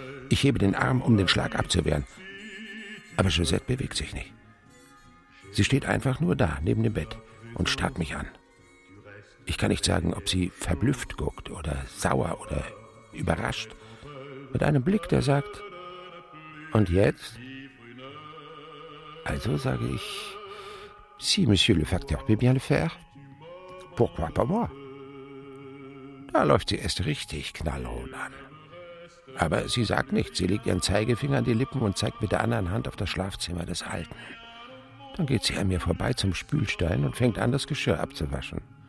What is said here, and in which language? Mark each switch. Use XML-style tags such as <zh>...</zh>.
<de>Ich hebe den Arm, um den Schlag abzuwehren. Aber Josette bewegt sich nicht. Sie steht einfach nur da, neben dem Bett und starrt mich an. Ich kann nicht sagen, ob sie verblüfft guckt oder sauer oder überrascht. Mit einem Blick, der sagt, und jetzt? Also sage ich,</de> <fr>si, monsieur le facteur peut bien le faire. Pourquoi pas moi?</fr> <de>Da läuft sie erst richtig knallrot an. Aber sie sagt nichts. Sie legt ihren Zeigefinger an die Lippen und zeigt mit der anderen Hand auf das Schlafzimmer des Alten. Dann geht sie an mir vorbei zum Spülstein und fängt an, das Geschirr abzuwaschen.</de>